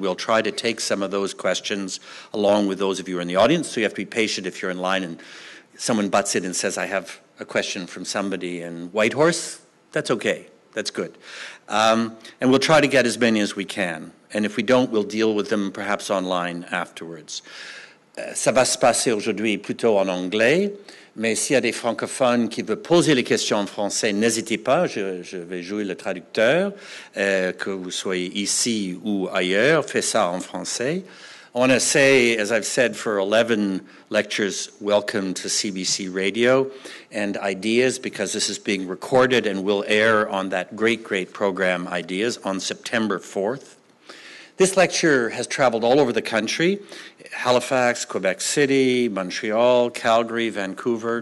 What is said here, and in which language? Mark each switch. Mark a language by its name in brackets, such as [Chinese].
[English] We'll try to take some of those questions along with those of you in the audience. So you have to be patient if you're in line and someone butts in and says, I have a question from somebody in Whitehorse. That's okay. That's good. And we'll try to get as many as we can. And if we don't, we'll deal with them perhaps online afterwards. [French] Ça va se passer aujourd'hui plutôt en anglais. Mais s'il y a des francophones qui veulent poser les questions en français, n'hésitez pas, je vais jouer le traducteur, que vous soyez ici ou ailleurs, faites ça en français. [English] I want to say, as I've said for 11 lectures, welcome to CBC Radio and Ideas, because this is being recorded and will air on that great, great program, Ideas, on September 4th. This lecture has traveled all over the country, Halifax, Quebec City, Montreal, Calgary, Vancouver.